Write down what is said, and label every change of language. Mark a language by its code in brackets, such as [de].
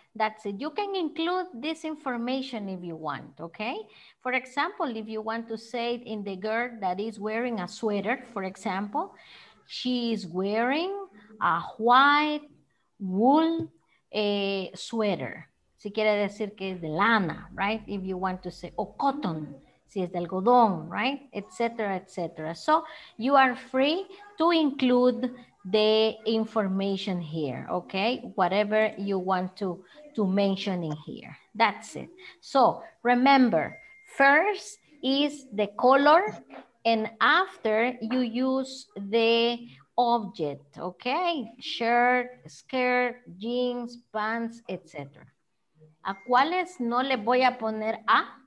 [en] That's it. You can include this information if you want, okay? For example, if you want to say in the girl that is wearing a sweater, for example, she is wearing a white wool sweater. [es] Si quiere decir que es de lana, [en] right? If you want to say, o cotton, [es] si es de algodón, [en] right? Etc., etc. So you are free to include the information here, okay? Whatever you want to mention in here. That's it. So remember, first is the color, and after you use the object, okay? Shirt, skirt, jeans, pants, etc. [es] ¿A cuáles no le voy a poner a?